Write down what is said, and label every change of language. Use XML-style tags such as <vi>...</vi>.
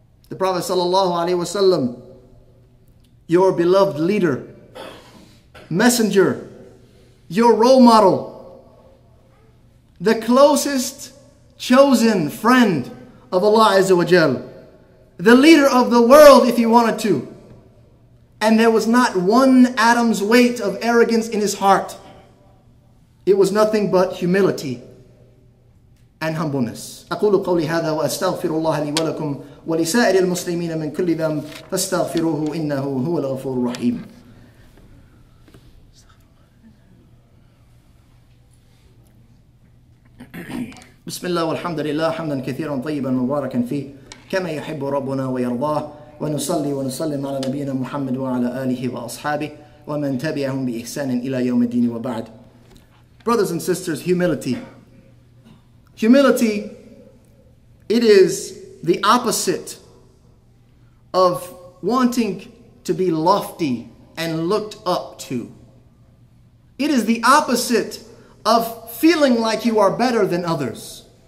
<en>The Prophet sallallahu alaihi wasallam, your beloved leader, messenger, your role model, the closest chosen friend of Allah Azza wa Jal, the leader of the world if he wanted to. And there was not one atom's weight of arrogance in his heart. It was nothing but humility and humbleness.</en> <ar>أقول قولي هذا وأستغفر الله لي ولكم ولسائر المسلمين من كل ذنب فاستغفروه إنه هو الغفور الرحيم. بسم الله والحمد لله حمدا كثيرا طيبا مباركا فيه كما يحب ربنا ويرضاه ونصلي ونسلم على نبينا محمد وعلى آله وأصحابه ومن تبعهم بإحسان إلى يوم الدين وبعد.</ar> <en>Brothers and sisters, humility. Humility, it is the opposite of wanting to be lofty and looked up to. It is the opposite of feeling like you are better than others.</en>